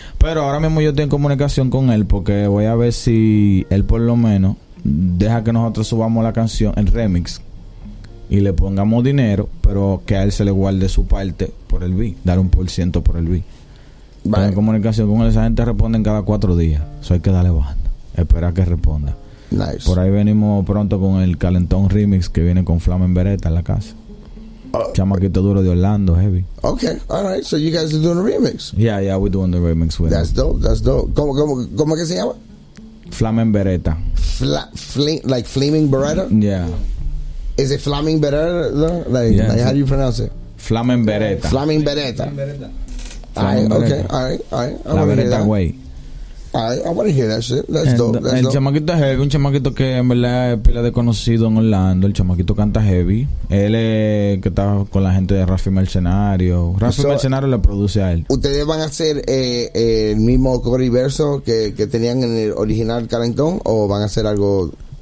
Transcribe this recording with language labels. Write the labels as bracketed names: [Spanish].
[Spanish] Pero ahora mismo yo estoy en comunicación con él porque voy a ver si él por lo menos deja que nosotros subamos la canción en remix y le pongamos dinero, pero que a él se le guarde su parte por el beat, dar un por ciento por el beat. Vale. Estoy en comunicación con él, esa gente responde en cada 4 días. Eso hay que darle banda, esperar que responda. [English] Nice. [Spanish] Por ahí venimos pronto con el Calentón Remix que viene con Flama en Beretta en la casa. Chamaquito duro de Orlando, heavy. [English] Okay, all right. So you guys are doing a remix. Yeah, yeah, we're doing the remix with That's him. Dope, that's dope. [Spanish] ¿Cómo que se llama? Flama en Beretta. [English] Like Flaming Beretta? Yeah. Is it Flaming Beretta? Like how do you pronounce it? Flama en Beretta. Flaming Beretta. Flaming Beretta. Okay, all right. I want to hear that shit. That's dope. [Spanish] El chamaquito es heavy, un chamaquito que en verdad es pila de conocido en Orlando. El chamaquito canta heavy. Él es que está con la gente de Rafi Mercenario. Mercenario le produce a él. ¿Ustedes van a hacer el mismo core y verso que tenían en el original Calentón o van a hacer algo?